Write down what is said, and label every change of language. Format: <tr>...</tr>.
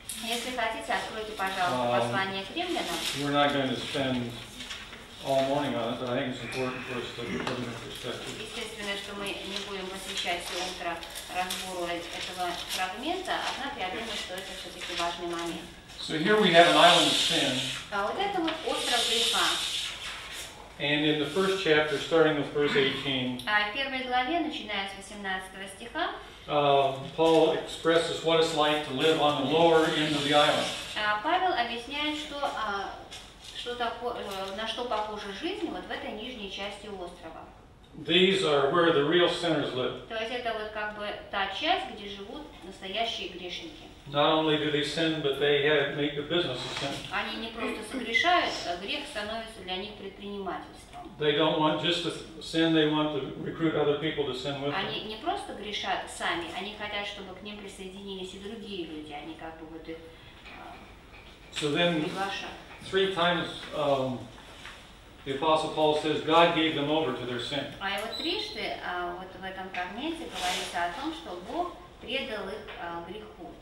<ru>если хотите, откройте, пожалуйста, послание к римлянам.</ru> <en>We're not going to spend all morning on it, but I think it's important for us to put it in perspective.</en> <ru>Естественно, что мы не будем посвящать все утро разбору этого фрагмента, однако я думаю, что это все-таки важный момент.</ru> <en>So here we have an island of sin.</en> <ru>А вот это вот остров греха.</ru> <en>And in the first chapter, starting with verse 18,</en> <ru>в первой главе, начиная с 18 стиха,</ru> <en>Paul expresses what it's like to live on the lower end of the island.</en> <ru>Павел объясняет, что что такое, на что похожа жизнь вот в этой нижней части острова.</ru> <en>These are where the real sinners live.</en> <ru>То есть это вот как бы та часть, где живут настоящие грешники.</ru> <en>Not only do they sin, but they have make a business of sin.</en> <ru>Они не просто согрешают, а грех становится для них предпринимательством.</ru> <en>They don't want just to sin, they want to recruit other people to sin with them.</en> <ru>Они не просто грешат сами, они хотят, чтобы к ним присоединились и другие люди, они как бы вот их приглашают.</ru> <en>Three times the Apostle Paul says God gave them over to their sin.</en> <ru>А и вот трижды вот в этом фрагменте говорится о том, что Бог предал их греху.</ru>